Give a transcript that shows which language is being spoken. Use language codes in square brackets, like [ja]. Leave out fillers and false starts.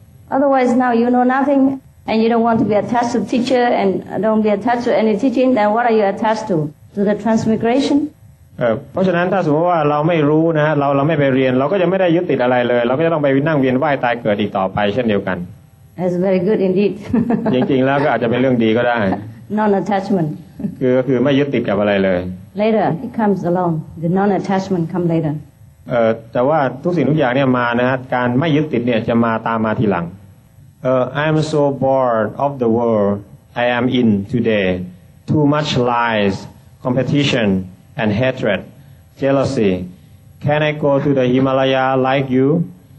[en] Otherwise, now you know nothing and you don't want to be attached to the teacher and don't be attached to any teaching. Then what are you attached to? To the transmigration? [th] เพราะฉะนั้นถ้าสมมติว่าเราไม่รู้นะเราไม่ไปเรียนเราก็จะไม่ได้ยึดติดอะไรเลยเราก็จะต้องไปนั่งเวียนว่ายตายเกิดอีกต่อไปเช่นเดียวกัน [en] That's very good indeed [th] จริงๆแล้วก็อาจจะเป็นเรื่องดีก็ได้ [en] Non attachment [th] คือไม่ยึดติดกับอะไรเลย [en] Later it comes along the non attachment come later [th] แต่ว่าทุกสิ่งทุกอย่างเนี่ยมานะฮะการไม่ยึดติดเนี่ยจะมาตามมาทีหลัง [en] I am so bored of the world I am in today too much lies competitionAnd hatred, jealousy. Can I go to the Himalaya like you?